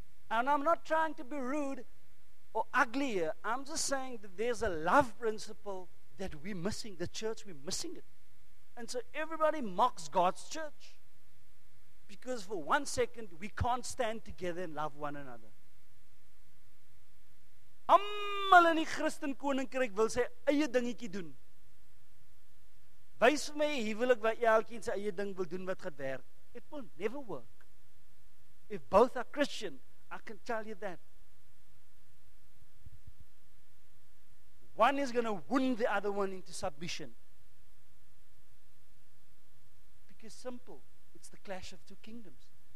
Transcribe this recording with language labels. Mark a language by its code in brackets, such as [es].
[en] And I'm not trying to be rude or ugly here. I'm just saying that there's a love principle that we're missing. The church, we're missing it. And so everybody mocks God's church. Because for 1 second, we can't stand together and love one another. [af] Almal in die Christen koninkryk wil sy eie dingetjie doen. Wys vir my huwelik waar elkeen sy eie ding wil doen wat gaan werk. [en] It will never work. If both are Christian, I can tell you that. One is going to wound the other one into submission. Because simple, it's the clash of two kingdoms.